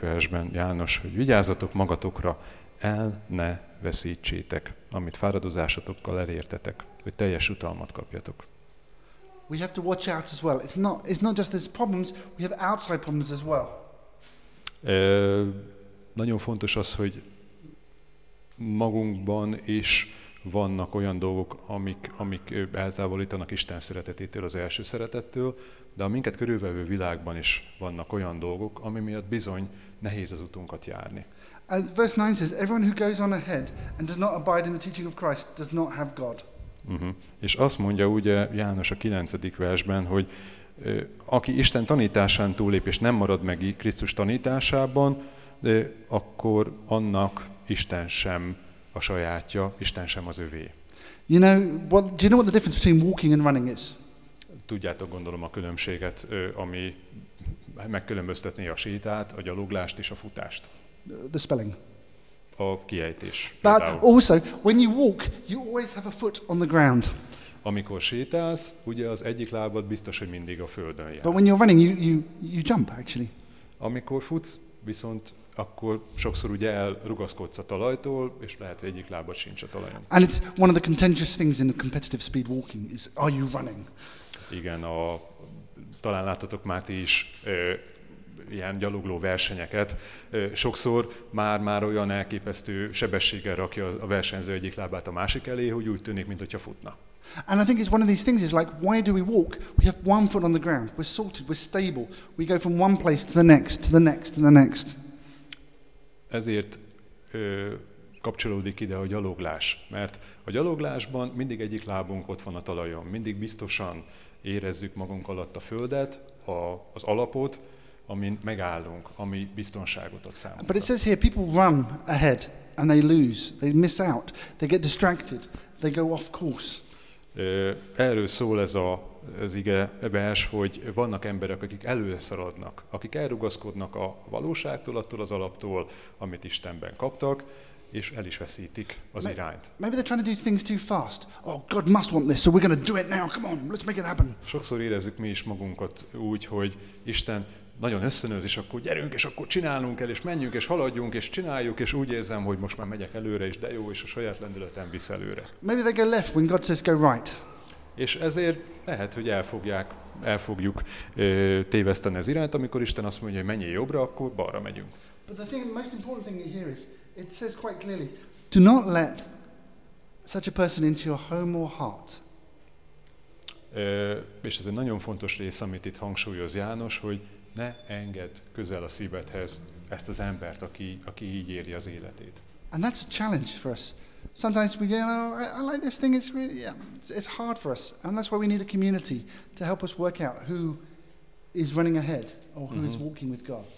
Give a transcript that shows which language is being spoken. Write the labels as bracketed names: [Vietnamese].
[Hungarian] versben János, hogy vigyázzatok magatokra, el ne veszítsétek, amit fáradozásatokkal elértetek, hogy teljes utalmat kapjatok. [English] We have to watch out as well. It's not just these problems, we have outside problems as well. [Hungarian] Nagyon fontos az, hogy magunkban is vannak olyan dolgok, amik eltávolítanak Isten szeretetétől, az első szeretettől, de a minket körülvevő világban is vannak olyan dolgok, ami miatt bizony nehéz az utunkat járni. [English] And verse 9 says, everyone who goes on ahead and does not abide in the teaching of Christ does not have God. Uh-huh. [Hungarian] És azt mondja ugye János a 9. versben, hogy aki Isten tanításán túlép és nem marad meg Krisztus tanításában, akkor annak Isten sem a sajátja, Isten sem az övé. [English] You know, well, do you know what the difference between walking and running is? [Hungarian] Tudjátok, gondolom, a különbséget, ami megkülönböztetné a sétát, a gyaloglást és a futást. [English] The spelling. [Hungarian] A kiejtés. [English] But also, when you walk, you always have a foot on the ground. [Hungarian] Amikor sétálsz, ugye az egyik lábad biztos, hogy mindig a földön jár. [English] But when you're running, you jump, actually. [Hungarian] Amikor futsz, viszont akkor sokszor ugye elrugaszkodsz a talajtól, és lehet, hogy egyik lábad sincs a talajon. [English] And it's one of the contentious things in the competitive speed walking is, are you running? [Hungarian] Igen, talán láttatok már ti is ilyen gyalogló versenyeket. Sokszor már olyan elképesztő sebességgel rakja a versenyző egyik lábát a másik elé, hogy úgy tűnik, mint hogyha futna. [English] And I think it's one of these things is like, why do we walk? We have one foot on the ground. We're sorted, we're stable. We go from one place to the next, to the next, to the next. [Hungarian] Ezért kapcsolódik ide a gyaloglás, mert a gyaloglásban mindig egyik lábunk ott van a talajon, mindig biztosan érezzük magunk alatt a földet, az alapot, amin megállunk, ami biztonságot ad számunkra. [English] But it says here people run ahead and they lose, they miss out, they get distracted, they go off course. [Hungarian] Erről szól ez az ige vers, hogy vannak emberek, akik előszaladnak, akik elrugaszkodnak a valóságtól, attól az alaptól, amit Istenben kaptak, és el is veszítik az irányt. [English] Maybe they're trying to do things too fast. Oh, God must want this, so we're going to do it now. Come on, let's make it happen. [Hungarian] Sokszor érezzük mi is magunkat úgy, hogy Isten nagyon ösztönöz, és akkor gyerünk, és akkor csinálunk el, és menjünk, és haladjunk, és csináljuk, és úgy érzem, hogy most már megyek előre, és de jó, és a saját lendületem visz előre. [English] Maybe they go left when God says go right. [Hungarian] És ezért lehet, hogy elfogjuk téveszteni az irányt, amikor Isten azt mondja, hogy menjél jobbra, akkor balra megyünk. [English] But the thing, the most important thing here is, it says quite clearly, do not let such a person into your home or heart. [Hungarian] És ez egy nagyon fontos rész, amit itt hangsúlyoz János, hogy ne engedd közel a szívedhez ezt az embert, aki így éri az életét. [English] And that's a challenge for us. Sometimes we go, oh, I like this thing, it's really, yeah, it's hard for us. And that's why we need a community to help us work out who is running ahead or who is walking with God.